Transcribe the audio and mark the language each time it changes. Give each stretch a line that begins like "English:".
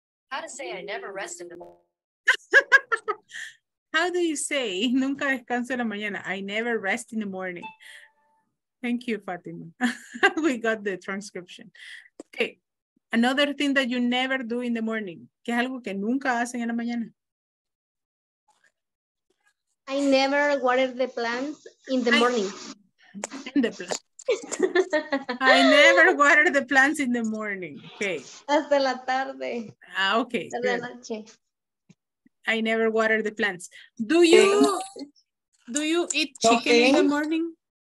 English: How to say I never rest in the morning. How do you say
Spanish: nunca descanso en la mañana?
English: I never rest in the morning. Thank you, Fatima. We got the transcription. Okay. Another thing that you never do in the morning.
Spanish: ¿Qué es algo que nunca hacen en la mañana?
English: I never water the plants in the morning. In the plants. I never water the plants in the morning. Okay.
Spanish: Hasta la tarde.
English: Ah, okay.
Spanish: Hasta la noche.
English: I never water the plants. Do you eat chicken in the morning?